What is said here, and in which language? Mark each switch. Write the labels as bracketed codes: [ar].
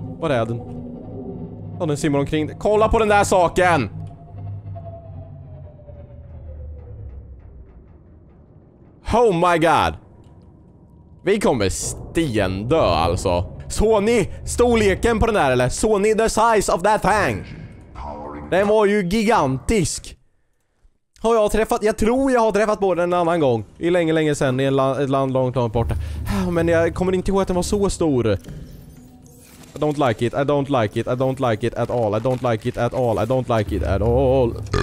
[sv] Var är den? Ja, den simmar omkring. Kolla på den där saken! [en] Oh my god! [sv] Vi kommer stendö alltså. Såg ni storleken på den där eller? Såg ni [en] the size of that thing? [sv] Den var ju gigantisk. Har jag träffat, jag tror jag har träffat på den en annan gång. I länge länge sedan i ett land långt långt borta. Men jag kommer inte ihåg att den var så stor. [en] I don't like it, I don't like it, I don't like it at all. I don't like it at all, I don't like it at all.